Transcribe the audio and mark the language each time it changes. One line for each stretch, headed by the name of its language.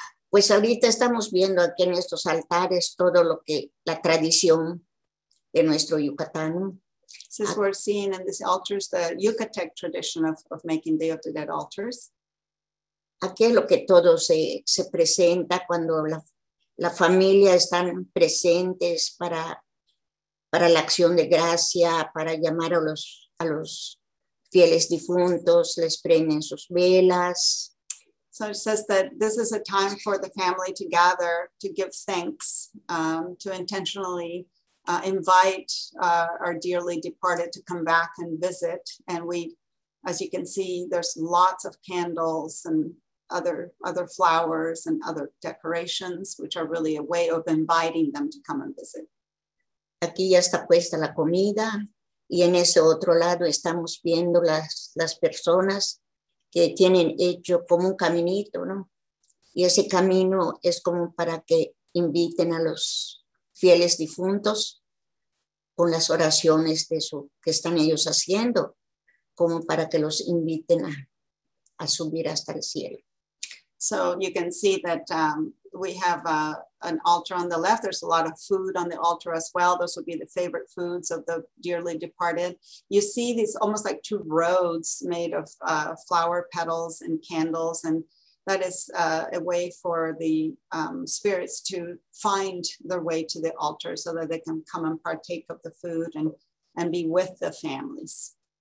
Spanish: Pues ahorita estamos viendo aquí en estos altares todo lo que la tradición de nuestro Yucatán.
English: Since we're seeing in these altars the Yucatec tradition of making Day of the Dead altars.
Spanish: Aquí es lo que todo se presenta cuando la familia están presentes para la acción de gracia, para llamar a los fieles difuntos, les prenden sus velas.
English: So it says that this is a time for the family to gather, to give thanks, to intentionally invite our dearly departed to come back and visit. And we, as you can see, there's lots of candles and other flowers and other decorations, which are really a way of inviting them to come and visit.
Spanish: Aquí ya está puesta la comida y en ese otro lado estamos viendo las personas que tienen hecho como un caminito, ¿no? Y ese camino es como para que inviten a los fieles difuntos con las oraciones de su que están ellos haciendo, como para que los inviten a subir hasta el cielo.
English: So you can see that we have an altar on the left. There's a lot of food on the altar as well. Those would be the favorite foods of the dearly departed. You see these almost like two roads made of flower petals and candles. And that is a way for the spirits to find their way to the altar so that they can come and partake of the food and be with the families.